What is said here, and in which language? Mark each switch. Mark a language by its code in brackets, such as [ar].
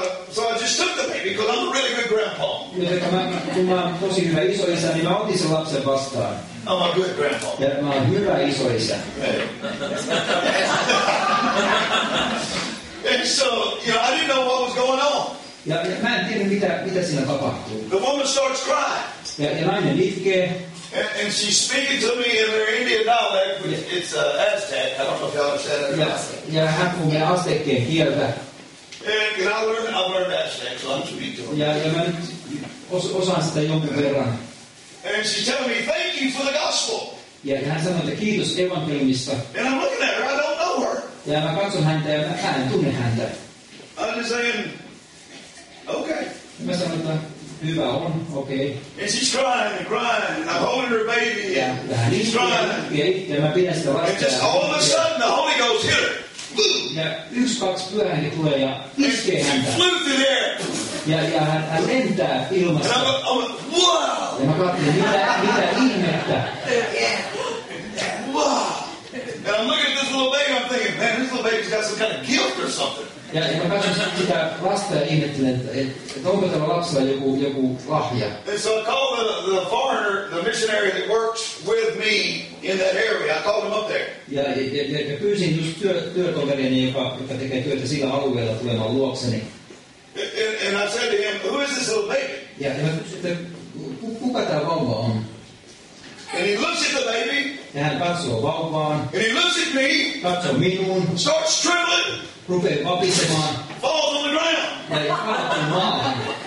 [en] So I just took the baby because I'm a really good grandpa. [fi] Ja kun mä oon tosi hyvä isoisä, niin mä otin sen lapsen vastaan. [en] I'm a good grandpa. [fi] Ja mä oon hyvä isoisä. [en] And so, I didn't know what was going on. [fi] Ja mä en tiedä mitä siinä tapahtuu. [en] The woman starts crying. [fi] Ja nainen itkee. [en] And she's speaking to me in their Indian dialect, which it's Aztec. I don't know if y'all understand that. [fi] Ja hän puhuu aztekkien kieltä. [en] And I learned Aztec, so I'm speaking to her. [fi] Ja mä nyt osaan sitä jonkun verran. [en] And she tells me, thank you for the gospel. [fi] Ja hän sanoo, että kiitos evankeliumista. [en] And I'm looking at her, I don't know her. [fi] Ja mä katson häntä ja mä en tunne häntä. [en] I'm just saying, okay. [fi] Mä sanoin, että hyvä on, okei. [en] Okay. And she's crying and crying and I'm holding her baby. Yeah, she's crying. [fi] Ja mä pidän sitä vastaan. [en] And just all of a sudden the Holy Ghost hit her. [fi] Ja yksi kaksi pyhähenki tulee ja iskee häntä. [en] And she flew through there. [fi] Ja hän lentää ilmassa. [en] And I'm like, wow. [fi] Ja mä katsoin, mitä ihmettä. [en] Yeah. Wow. And I'm looking at this little baby, I'm thinking, man, this little baby's got some kind of guilt or something. [fi] Ja mä katson sitä lasta ja ihmettelen, että onko tämä lapsella joku lahja. [en] And so I called the foreigner, the missionary that works with me in that area. I called him up there. [fi] Ja pyysin just työtoverini, joka tekee työtä sillä alueella tulemaan luokseni. [en] And I said to him, who is this little baby? [fi] Ja mä kysyin, että kuka tämä vauva on? [en] And he looks at the baby. [fi] Ja hän katsoo vauvaan. [en] And he looks at me. [fi] Katsoo minuun. [en] Starts trembling. [fi] Rupee vapisemaan. [en] Falls on the ground. [fi] Ja kaatuu maahan.